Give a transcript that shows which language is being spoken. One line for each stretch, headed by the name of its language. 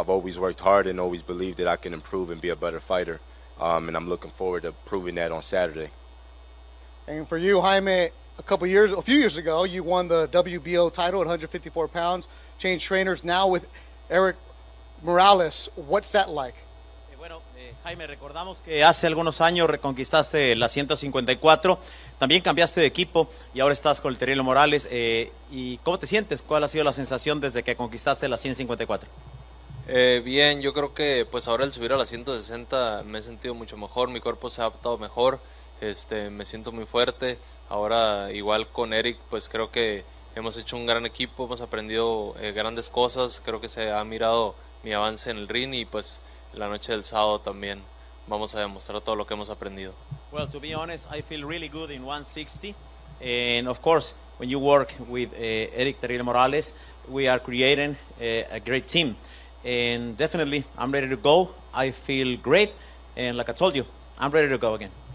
English: I've always worked hard and always believed that I can improve and be a better fighter. And I'm looking forward to proving that on Saturday. And for you, Jaime, a few years ago, you won the WBO title at 154 pounds, changed trainers now with Eric Morales. What's that like?
Spanish: Jaime, recordamos que hace algunos años reconquistaste la 154, también cambiaste de equipo y ahora estás con el Terrible Morales. ¿Y cómo te sientes? ¿Cuál ha sido la sensación desde que conquistaste la 154? Bien, yo creo que pues ahora al subir a la 160 me he sentido mucho mejor, mi cuerpo se ha adaptado mejor, me siento muy fuerte. Ahora igual con Eric, pues creo que hemos hecho un gran equipo, hemos aprendido grandes cosas, creo que se ha mirado mi avance en el ring y pues la noche del sábado también vamos a demostrar todo lo que hemos aprendido.
English: Well, to be honest, I feel really good in 160. And of course, when you work with Eric Terrible Morales, we are creating a great team. And definitely, I'm ready to go. I feel great. And like I told you, I'm ready to go again.